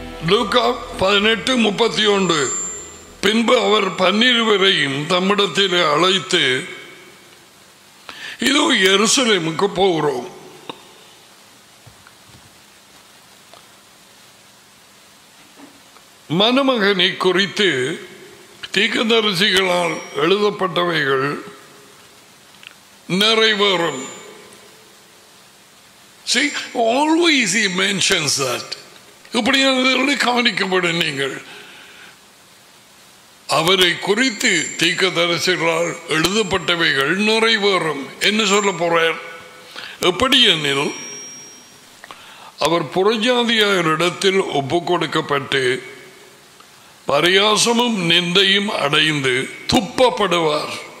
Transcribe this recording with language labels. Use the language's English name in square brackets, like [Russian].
[Tamil] லூக்கா 18:31. பின்பு அவர் 12 பேரையும் தம்மிடத்தில் அழைத்து, இதோ எருசலேமுக்கு போகிறோம், மணமகனை குறித்து தீர்க்கதரிசிகளால் எழுதப்பட்டவைகள் நிறைவேறும். [English] See, always he mentions that. [Tamil] இப்படி அதில் கவனிக்கப்படும். நீங்கள் அவரை குறித்து தீர்க்கதரிசிகளால் எழுதப்பட்டவைகள் நிறைவேறும் என்று சொல்ல போறார். எப்படி எனில், அவர் புறஜாதியாரிடத்தில் ஒப்பு கொடுக்கப்பட்டு பரியாசமும் நிந்தையும் அடைந்து துப்பப்படுவார்.